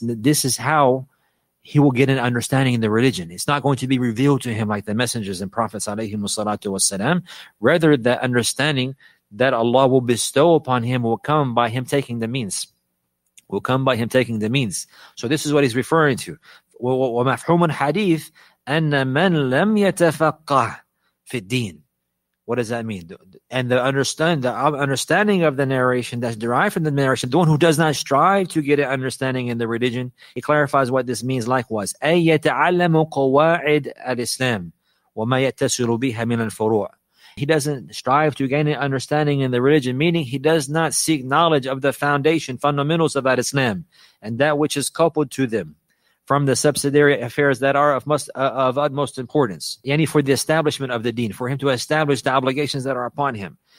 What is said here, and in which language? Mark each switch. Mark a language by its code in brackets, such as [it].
[en] This is how he will get an understanding in the religion. It's not going to be revealed to him like the messengers and prophets alayhi wassalatu wassalam. Rather, the understanding that Allah will bestow upon him will come by him taking the means. Will come by him taking the means. So this is what he's referring to. [ar] ومفهوم الحديث أن من لم يتفقه في الدين. [en] What does that mean? And the understanding of the narration that's derived from the narration, the one who does not strive to get an understanding in the religion, he clarifies what this means likewise. [ar] أي يتعلم قواعد الإسلام وما يتسر بها من الفروع. [en] He doesn't strive to gain an understanding in the religion, meaning he does not seek knowledge of the foundation, fundamentals of Islam, and that which is coupled to them from the subsidiary affairs that are of utmost importance. Yani for the establishment of the deen, for him to establish the obligations that are upon him.